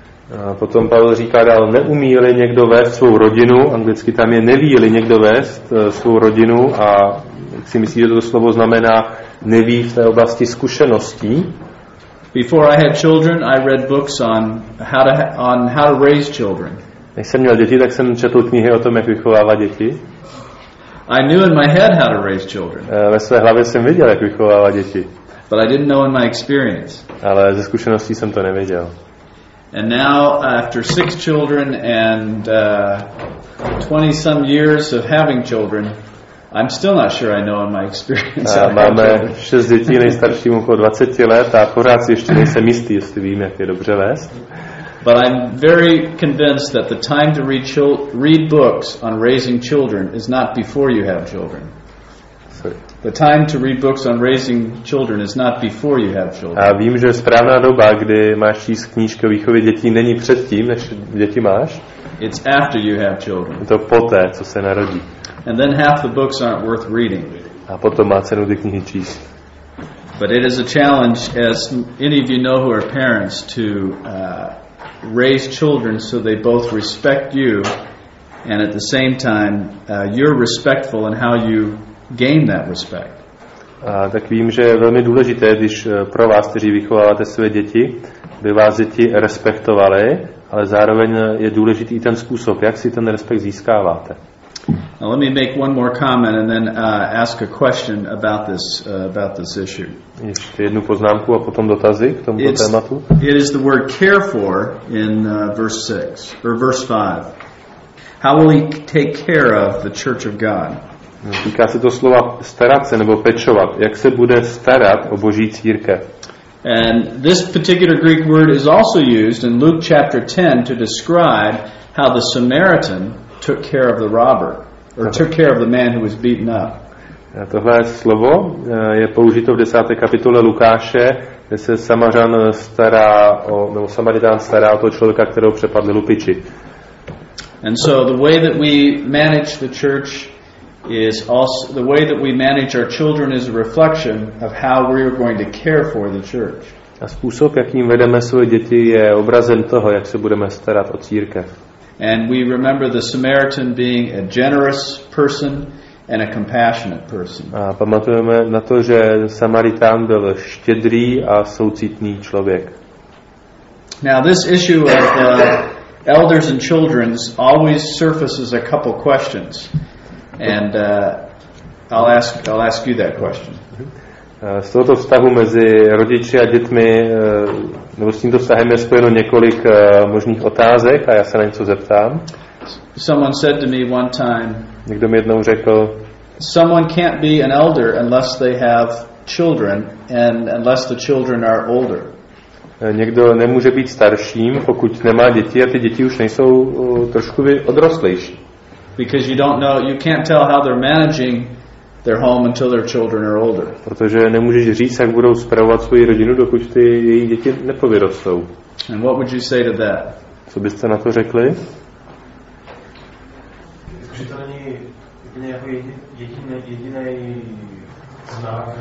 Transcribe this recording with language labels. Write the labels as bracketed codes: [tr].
[cs] A potom Pavel říká dál, neumí-li někdo vést svou rodinu, anglicky tam je neví-li někdo vést svou rodinu, a jak si myslí, že to slovo znamená neví v té oblasti zkušeností. [en] Before I had children, I read books on how to raise children. [cs] Než jsem měl děti, tak jsem četl knihy o tom, jak vychovávat děti. [en] I knew in my head how to raise children. [cs] Ve své hlavě jsem viděl, jak vychovávat děti. [en] But I didn't know in my experience. [cs] Ale ze zkušeností jsem to nevěděl. [en] And now after 6 children and 20 some years of having children, I'm still not sure I know in my experience. [cs] Máme 6 dětí, nejstaršímu po 20 let, a pořád si ještě nejsem jistý, jestli vím, jak je dobře vést. [en] But I'm very convinced that the time to read books on raising children is not before you have children. The time to read books on raising children is not before you have children. [cs] A vím, že správná doba, kdy máš číst knížky o výchově dětí, není před tím, než děti máš. [en] It's after you have children. [cs] To poté, co se narodí. [en] And then half the books aren't worth reading. [cs] A potom má cenu ty knihy číst. [en] But it is a challenge, as any of you know who are parents, to raise children so they both respect you and at the same time you're respectful in how you gain that respect. [cs] Tak vím, že je velmi důležité, když pro vás, kteří vychováváte své děti, by vás děti respektovali, ale zároveň je důležitý ten způsob, jak si ten respekt získáváte. [en] Now let me make one more comment and then ask a question about this issue. [cs] Ještě jednu poznámku a potom dotazy k tomuto tématu. [en] It is the word care for in verse 6 or verse 5. How will he take care of the church of God? [cs] Týká se to slova starat se nebo pečovat. Jak se bude starat o Boží církev? [en] And this particular Greek word is also used in Luke chapter 10 to describe how the Samaritan took care of the robber or took care of the man who was beaten up. [cs] Tohle slovo je použito v 10. kapitole Lukáše, kde se Samařan stará o, nebo Samaritán stará o toho člověka, kterého přepadli lupiči. [en] And so the way that we manage the church is also the way that we manage our children is a reflection of how we are going to care for the church. [cs] A způsob, jakým vedeme své děti, je obrazem toho, jak se budeme starat o církev. [en] And we remember the Samaritan being a generous person and a compassionate person. [cs] A pamatujeme na to, že Samaritán byl štědrý a soucitný člověk. [en] Now this issue of elders and children always surfaces a couple questions. And I'll ask you that question. [cs] Z tohoto vztahu mezi rodiči a dětmi, nebo s tímto vztahem je spojeno několik možných otázek a já se na něco zeptám. [en] Someone said to me one time. [cs] Někdo mi jednou řekl. [en] Someone can't be an elder unless they have children and unless the children are older. [cs] Někdo nemůže být starším, pokud nemá děti a ty děti už nejsou trošku odrostlejší. [en] Because you don't know, you can't tell how they're managing their home until their children are older. [cs] Protože nemůžeš říct, jak budou spravovat svoji rodinu, dokud ty její děti nepovyrostou. [en] And what would you say to that? [cs] Co byste na to řekli? Že to není úplně jako jediný znak,